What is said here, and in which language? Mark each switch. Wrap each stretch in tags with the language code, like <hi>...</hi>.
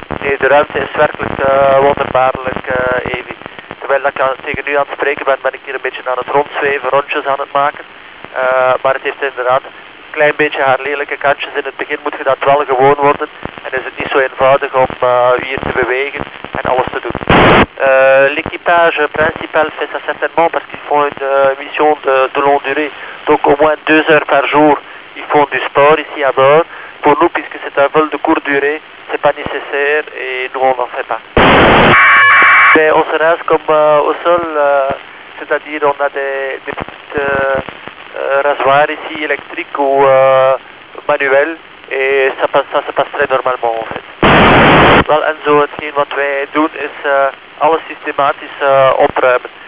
<nl>Nee, de ruimte is werkelijk wonderbaarlijk, Evi. Terwijl ik tegen nu aan het spreken ben, ben ik hier een beetje aan het rondzweven, rondjes aan het maken. Maar het heeft inderdaad een klein beetje haar lelijke kantjes. In het begin moet je dat wel gewoon worden. En is het niet zo eenvoudig om hier te bewegen en alles te doen.</nl> <fr>L'équipage principal fait ça certainement parce qu'ils font une mission de longue durée. Donc au moins 2 heures par jour, ils font du sport ici à bord. Pour nous, puisque c'est un vol de courte durée, c'est pas nécessaire et nous on n'en fait pas. Mais on se rase comme au sol, c'est-à-dire on a des petites rasoirs ici électriques ou manuels et ça se passe très normalement en fait.</fr> <nl>Wel, en zo, hetgeen wat wij doen is alles systematisch opruimen.</nl>